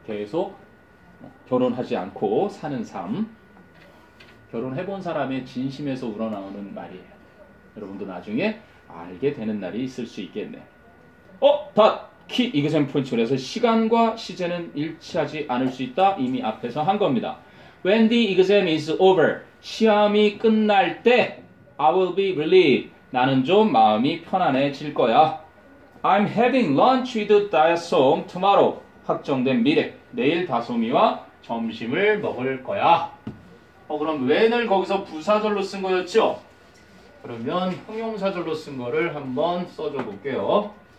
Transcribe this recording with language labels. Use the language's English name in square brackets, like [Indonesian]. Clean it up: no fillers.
[Korean] 계속 결혼하지 않고 사는 삶, 결혼해본 사람의 진심에서 우러나오는 말이에요. 여러분도 나중에 알게 되는 날이 있을 수 있겠네. 닷! 키 이그잼플처에서 시간과 시제는 일치하지 않을 수 있다. 이미 앞에서 한 겁니다. [English] When the exam is over, [Korean] 시험이 끝날 때 [English] I will be relieved. [Korean] 나는 좀 마음이 편안해질 거야. [English] I'm having lunch with Daesom tomorrow. [Korean] 확정된 미래. 내일 다솜이와 점심을 먹을 거야. 그럼 when을 거기서 부사절로 쓴 거였죠? 그러면 형용사절로 쓴 거를 한번 써줘 볼게요.